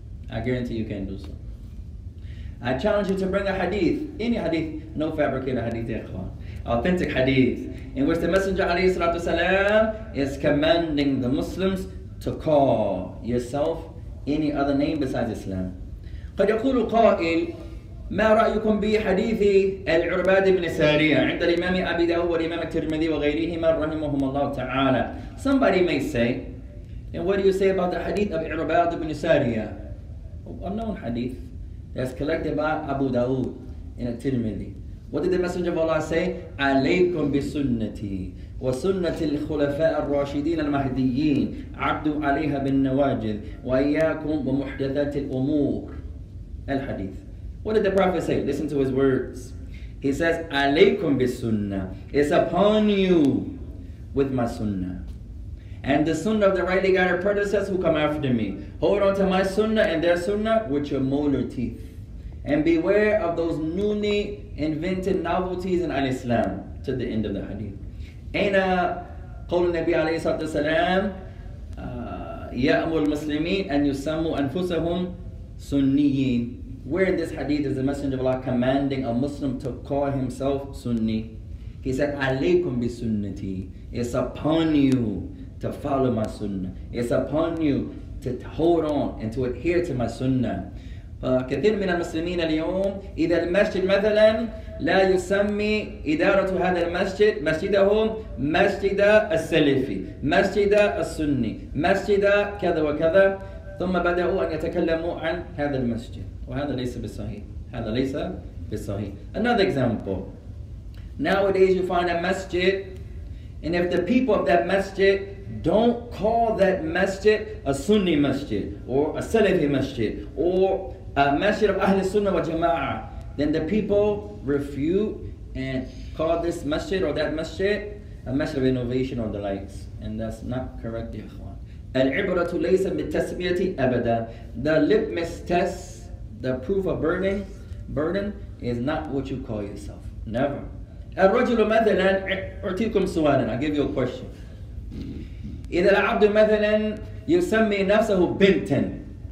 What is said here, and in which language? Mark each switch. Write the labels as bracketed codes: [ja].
[en] I guarantee you can't do so. I challenge you to bring a hadith, any hadith, no fabricated hadith, ikhwan, authentic hadith, in which the Messenger alayhi salatu wasalam is commanding the Muslims to call yourself any other name besides Islam. [ar] قد يقول قائل ما رأيكم بحديث العرباد بن سارية عند الإمام أبي داود والإمام الترمذي وغيرهما رحمهم الله تعالى. [en] Somebody may say, and what do you say about the hadith of العرباد بن سارية? Unknown hadith that's collected by Abu Dawood in al-Tirmidhi. What did the Messenger of Allah say? [ar] عليكم بسنتي وسنة الخلفاء الراشدين المهديين عبدوا عليها بالنواجذ وإياكم بمحدثات الأمور. [en] الحديث. What did the Prophet say? Listen to his words. He says, [ar] عليكم بالسنة. [en] It's upon you with my sunnah. And the sunnah of the rightly guided predecessors who come after me. Hold on to my sunnah and their sunnah with your molar teeth. And beware of those newly invented novelties in al-Islam. To the end of the hadith. [ar] أين قول النبي عليه الصلاة والسلام يأمر المسلمين أن يسموا أنفسهم سنيين. [en] Where in this hadith is the Messenger of Allah commanding a Muslim to call himself Sunni? He said, [ar] عليكم بسنتي. [en] It's upon you to follow my sunnah. It's upon you to hold on and to adhere to my sunnah. [ar] كثير من المسلمين اليوم إذا المسجد مثلا لا يسمي إدارة هذا المسجد مسجدهم مسجد السلفي مسجد السني مسجد كذا وكذا ثم بدأوا أن يتكلموا عن هذا المسجد وهذا ليس بالصحيح هذا ليس بالصحيح. [en] Another example. Nowadays you find a masjid, and if the people of that masjid don't call that masjid a Sunni masjid or a Salafi masjid or a masjid of Ahl Sunnah wa Jama'ah, then the people refute and call this masjid or that masjid a masjid of innovation or the likes. And that's not correct, ya ikhwan. [ar] العبرة ليس بالتسمية أبدا. [en] The litmus test, the proof of burden is not what you call yourself. Never. [ar] الرجل مثلا أعطيكم سؤالا. [en] I'll give you a question. [ar] إذا العبد مثلا يسمي نفسه بنتا.